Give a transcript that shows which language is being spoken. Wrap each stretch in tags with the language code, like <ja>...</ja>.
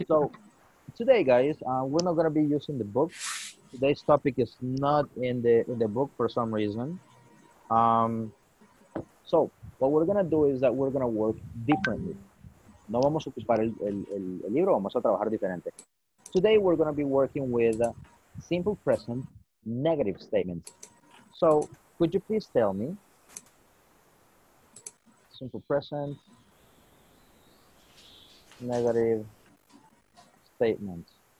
<en>So today, guys, we're not gonna be using the book. Today's topic is not in the book for some reason. So what we're gonna do is that we're gonna work differently.</en> <es>No vamos a ocupar el libro, vamos a trabajar diferente.</es> <en>Today we're going to be working with simple present negative statements. So, could you please tell me, simple present negative statements.</en>